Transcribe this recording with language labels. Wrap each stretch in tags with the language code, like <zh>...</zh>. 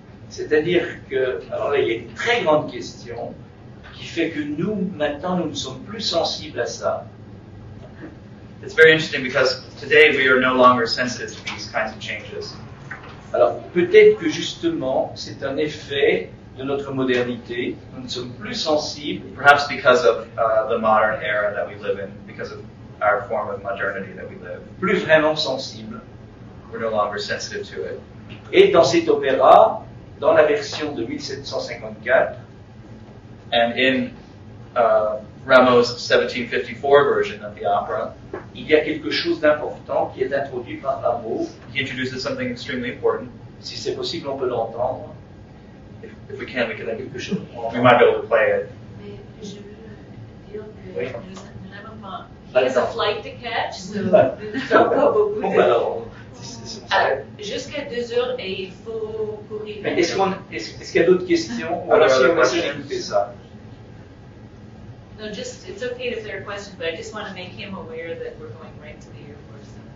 <fr>C'est-à-dire que, alors là, il y a une très grande question qui fait que nous, maintenant, nous ne sommes plus sensibles à ça.</fr> <en>It's very interesting because today we are no longer sensitive to these kinds of changes.</en> <fr>Alors, peut-être que justement, c'est un effet de notre modernité. Nous ne sommes plus sensibles.</fr> <en>Perhaps because of the modern era that we live in, because of our form of modernity that we live.</en> <fr>Plus vraiment sensibles.</fr> <en>We're no longer sensitive to it.</en> <fr>Et dans cet opéra, dans la version de 1754,</fr> <en>and in Rameau's 1754 version of the opera.</en> <fr>Il y a quelque chose d'important qui est introduit par Rameau.</fr> <en>He introduces something extremely important.</en> <fr>Si c'est possible, on peut l'entendre.</fr> <en>If we can, we can have</en> <fr>quelque chose.</fr> <en>We might be able to play it.</en> <fr>Mais je veux dire que nous avons pas.</fr> <en>He has a flight to catch, so</en> <fr>pas beaucoup. Bon, alors. Jusqu'à 2 heures et il faut courir. Mais est-ce qu'il y a d'autres questions? Ou alors, si on va s'écouter ça.</fr> <en>No, just, it's okay if there are questions, but I just want to make him aware that we're going right to the Air Force.</en>